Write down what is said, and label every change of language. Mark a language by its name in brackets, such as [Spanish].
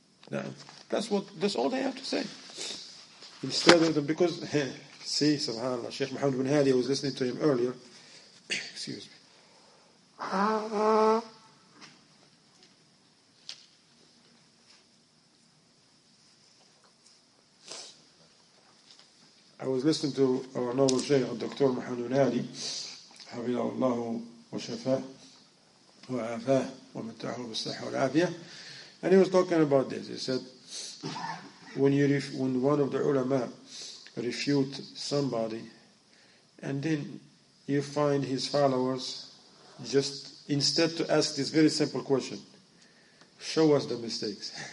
[English] Now, that's all they have to say. Instead of them, because, see, subhanAllah, Sheikh Muhammad bin Hadi, I was listening to him earlier. Excuse me. I was listening to our noble Shaykh, Dr. [Arabic] Muhammad bin Hadi, حفظه الله وشفاه وعافاه ومتعه بالصحة والعافية. [English] And he was talking about this. He said, when one of the ulama refute somebody, and then you find his followers, just instead to ask this very simple question, show us the mistakes.